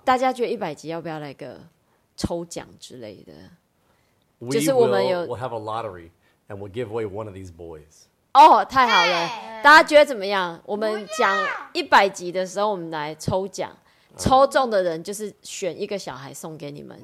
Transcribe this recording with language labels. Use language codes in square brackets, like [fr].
[zh] 大家觉得100集要不要来个抽奖之类的? [en] We'll have a lottery, and we'll give away one of these boys. [zh] 哦,太好了。大家觉得怎么样? 我们讲100集的时候, 我们来抽奖。抽中的人就是选一个小孩送给你们。